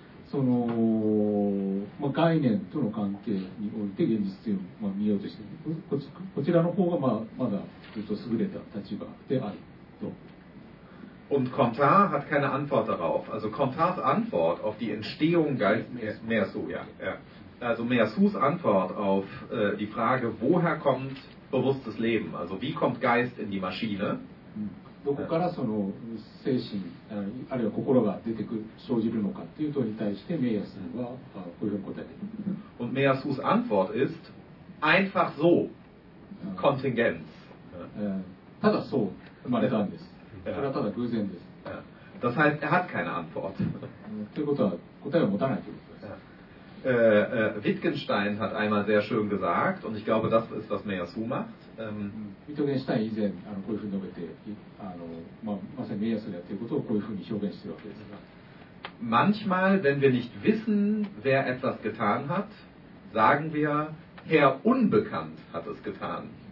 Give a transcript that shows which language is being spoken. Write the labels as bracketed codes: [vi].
[ja] その、まあ、概念との関係において現実というのを見ようとしている、こちらの方が まだずっと優れた立場であると。 [de] Und Comtar hat keine Antwort darauf. Also Comtars Antwort auf die Entstehung Meher Su, ja. Also Meher Sus Antwort auf die Frage, woher kommt bewusstes Leben? Also wie kommt Geist in die Maschine? [ja] どこからその精神あるいは心が出てくる生じるのかっていう問いに対してメイヤスはこういうふうに答えている。 [de] Und Meher Sus Antwort ist einfach so Kontingenz. [ja] ただそう生まれたんです。それはただ偶然です。 [de] Das heißt, er hat keine Antwort. [ja] ということは答えを持たないということです。 [de] Wittgenstein hat einmal sehr schön gesagt, und ich glaube, das ist, was Meher Su macht. [ja] Wittgenstein 以前あのこういうふうに述べて、あのまあまさにメイヤスであっていうことをこういうふうに表現しているわけですが。 [de] Manchmal, wenn wir nicht wissen, wer etwas getan hat, sagen wir, Herr Unbekannt hat es getan.